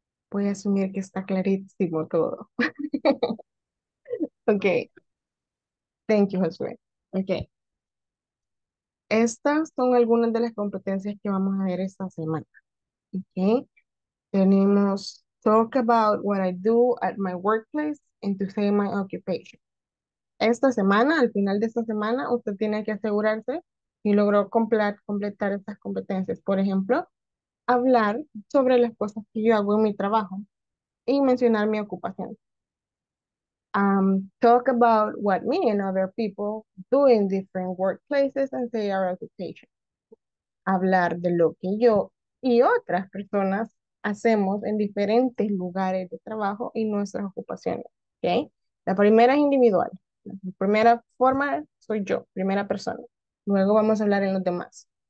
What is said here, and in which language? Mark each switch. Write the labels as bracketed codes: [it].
[es] Voy a asumir que está clarísimo todo. Ok. [en] Thank you, Josué. [es] Ok. Estas son algunas de las competencias que vamos a ver esta semana. Ok. [en] Tenemos Talk about what I do at my workplace and to say my occupation. [es] Esta semana, al final de esta semana, usted tiene que asegurarse si logró completar estas competencias. Por ejemplo, hablar sobre las cosas que yo hago en mi trabajo y mencionar mi ocupación. [en] Talk about what me and other people do in different workplaces and say our occupation. [es] Hablar de lo que yo y otras personas hacemos en diferentes lugares de trabajo y nuestras ocupaciones. ¿Okay? La primera es individual. La primera forma soy yo, primera persona. Luego vamos a hablar en los demás.